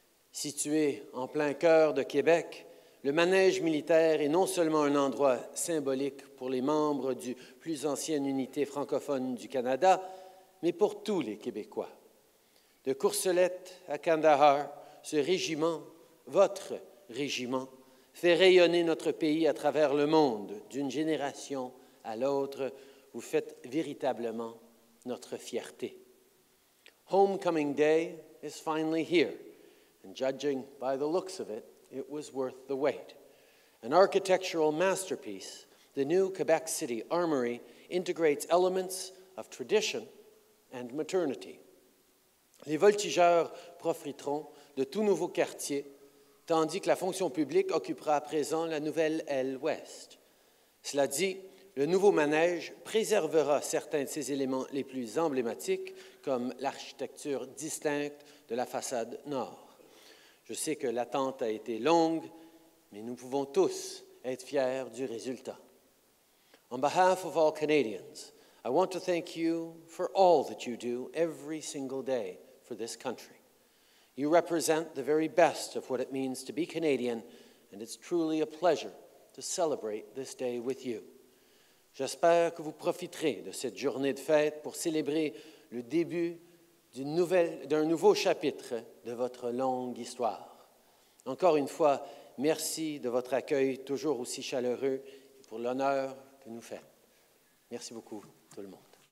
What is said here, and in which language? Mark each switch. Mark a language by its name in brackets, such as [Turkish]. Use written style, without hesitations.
[French] Situé en plein cœur de Québec, le manège militaire est non seulement un endroit symbolique pour les membres du plus ancienne unité francophone du Canada, mais pour tous les Québécois. De Courcelette à Kandahar, ce régiment, votre régiment, fait rayonner notre pays à travers le monde, d'une génération à l'autre, vous faites véritablement notre fierté. [English] Homecoming Day is finally here, and judging by the looks of it, it was worth the wait. An architectural masterpiece, the new Quebec City Armory integrates elements of tradition and modernity. [French] Les voltigeurs profiteront de tout nouveau quartier, tandis que la fonction publique occupera à présent la nouvelle aile ouest. Cela dit, le nouveau manège préservera certains de ses éléments les plus emblématiques, comme l'architecture distincte de la façade nord. Je sais que l'attente a été longue, mais nous pouvons tous être fiers du résultat. [English] On behalf of all Canadians, I want to thank you for all that you do every single day for this country. You represent the very best of what it means to be Canadian, and it's truly a pleasure to celebrate this day with you. [French] J'espère que vous profiterez de cette journée de fête pour célébrer le début d'un nouveau chapitre de votre longue histoire. Encore une fois, merci de votre accueil toujours aussi chaleureux et pour l'honneur que nous faites. Merci beaucoup, tout le monde.